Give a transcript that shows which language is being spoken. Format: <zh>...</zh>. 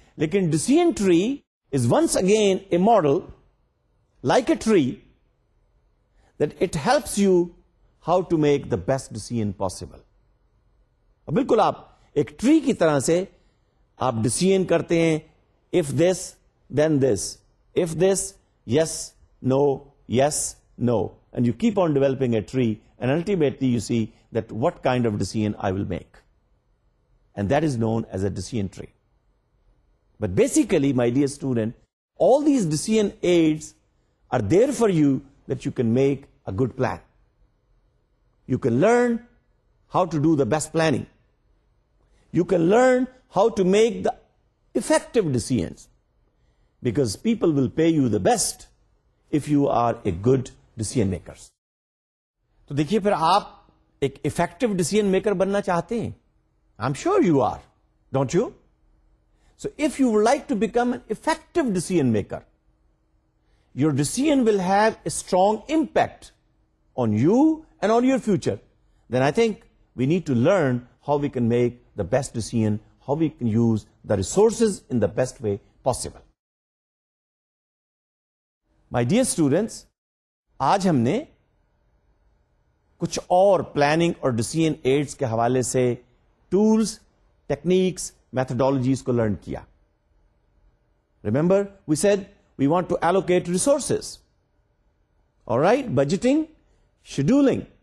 <en>لیکن decision tree is once again a model like a tree that it helps you how to make the best decision possible.</en> <ur>بالکل آپ ایک tree کی طرح سے آپ ڈیسیژن کرتے ہیں,</ur> <en>If this then this, if this yes no yes no, and you keep on developing a tree. And ultimately, you see that what kind of decision I will make. And that is known as a decision tree. But basically, my dear student, all these decision aids are there for you that you can make a good plan. You can learn how to do the best planning. You can learn how to make the effective decisions, because people will pay you the best if you are a good decision maker.</en> <ur>تو دیکھیے پھر آپ ایک effective decision maker بننا چاہتے ہیں.</ur> <en>I am sure you are, don't you? So if you would like to become an effective decision maker, your decision will have a strong impact on you and on your future, then I think we need to learn how we can make the best decision, how we can use the resources in the best way possible.</en> <ur>My dear students, آج ہم نے کچھ اور planning اور decision AIDS کے حوالے سے tools, techniques, methodologies کو لرن کیا.</ur> <en>Remember we said we want to allocate resources, all right, budgeting, scheduling.</en>